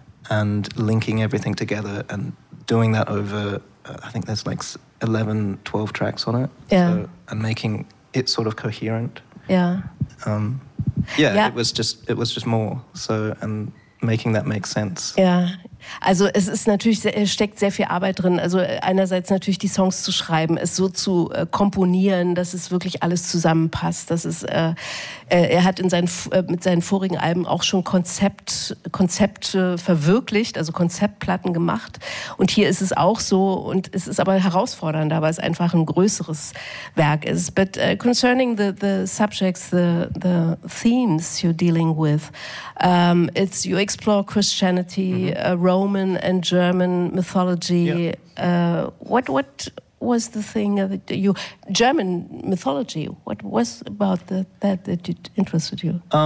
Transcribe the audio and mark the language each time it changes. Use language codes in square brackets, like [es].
[en] And linking everything together and doing that over, I think there's like 11, 12 tracks on it. Yeah. So, and making it sort of coherent. Yeah. Yeah. It was just more so, and making that make sense. Yeah. [de] Also es ist natürlich, es steckt sehr viel Arbeit drin. Also einerseits natürlich die Songs zu schreiben, es so zu komponieren, dass es wirklich alles zusammenpasst. Dass es, er hat in seinen, mit seinen vorigen Alben auch schon Konzepte verwirklicht, also Konzeptplatten gemacht. Und hier ist es auch so, und es ist aber herausfordernder, weil es einfach ein größeres Werk ist. [en] But concerning the subjects, the themes you're dealing with, it's you explore Christianity, mm-hmm. Roman and German mythology. Yeah. What was the thing that you, German mythology, what was about that interested you?